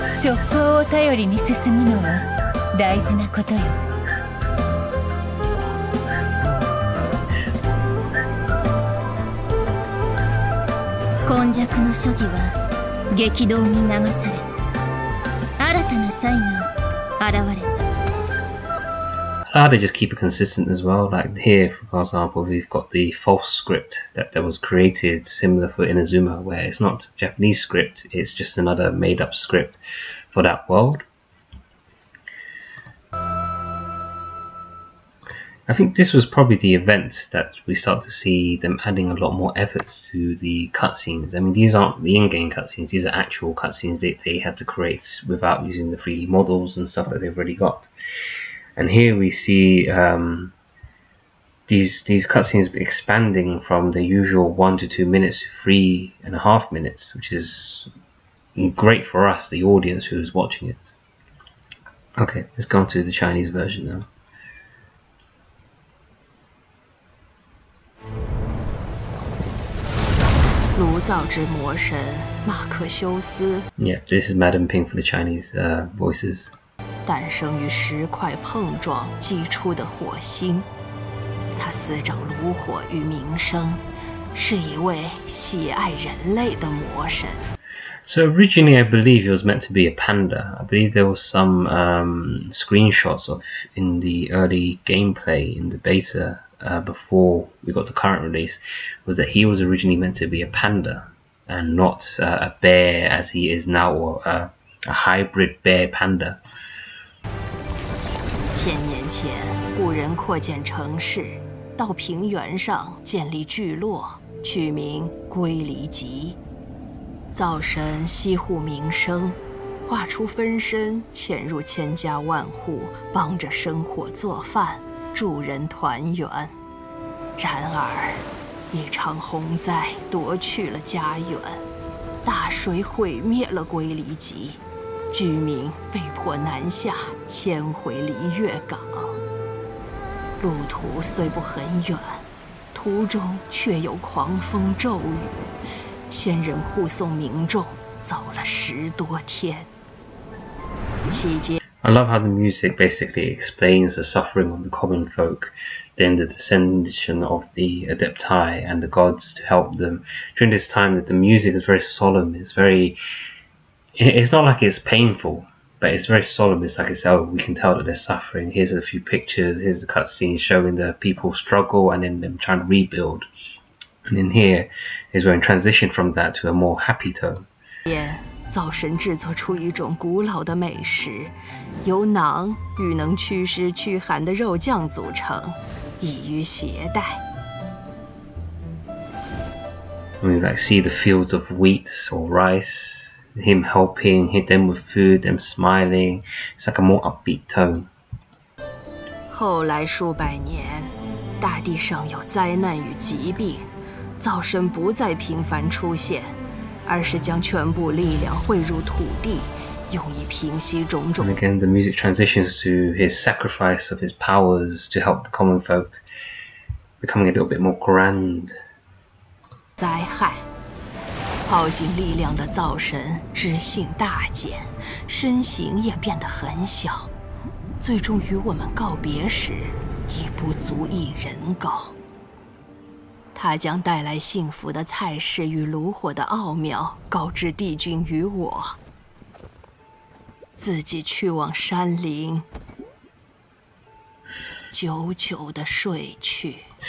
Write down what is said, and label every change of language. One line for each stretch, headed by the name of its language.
Japanese: 直行を頼りに進むのは大事なことよ。今昔の諸事は激動に流され、新たな才が現れた。
English: How they just keep it consistent as well. Like here, for example, we've got the false script that was created similar for Inazuma, where it's not Japanese script, it's just another made up script for that world. I think this was probably the event that we start to see them adding a lot more efforts to the cutscenes. I mean, these aren't the in-game cutscenes, these are actual cutscenes that they had to create without using the 3D models and stuff that they've already got. And here we see these cutscenes expanding from the usual 1 to 2 minutes to 3.5 minutes, which is great for us, the audience who is watching it. Okay, let's go on to the Chinese version now. Yeah, this is Madame Ping for the Chinese voices.
Chinese: 诞生于石块碰撞击出的火星，他司掌炉火与民生，是一位喜爱人类的魔神。
English: So originally, I believe it was meant to be a panda. I believe there were some screenshots of in the early gameplay in the beta before we got the current release, was that he was originally meant to be a panda and not a bear as he is now, or a hybrid bear panda.
Chinese: 千年前，古人扩建城市，到平原上建立聚落，取名龟离集。灶神西户名生，化出分身潜入千家万户，帮着生火做饭，助人团圆。然而，一场洪灾夺去了家园，大水毁灭了龟离集，居民被迫南下，迁回离月港。路途虽不很远，途中却有狂风骤雨，仙人护送民众走了十多天。期间
English: I love how the music basically explains the suffering of the common folk, then the descension of the adepti and the gods to help them. During this time, that the music is very solemn, it's not like it's painful, but it's very solemn. It's like it's, oh, we can tell that they're suffering. Here's a few pictures, here's the cutscene showing the people struggle and then them trying to rebuild. And in here is where we transition from that to a more happy tone.
Chinese: Yeah, 灶神制作出一种古老的美食，由囊与能驱湿驱寒的肉酱组成，易于携带。
English: We like see the fields of wheat or rice. Him helping, hit them with food, them smiling. It's like a more upbeat tone.
Chinese: 后来数百年，大地上有灾难与疾病，灶神不再频繁出现，而是将全部力量汇入土地，用以平息种种。
English: And again, the music transitions to his sacrifice of his powers to help the common folk, becoming a little bit more grand.
Chinese: 灾害。耗尽力量的灶神知性大减，身形也变得很小，最终与我们告别时已不足一人高。他将带来幸福的菜式与炉火的奥妙告知帝君与我，自己去往山林，久久地睡去。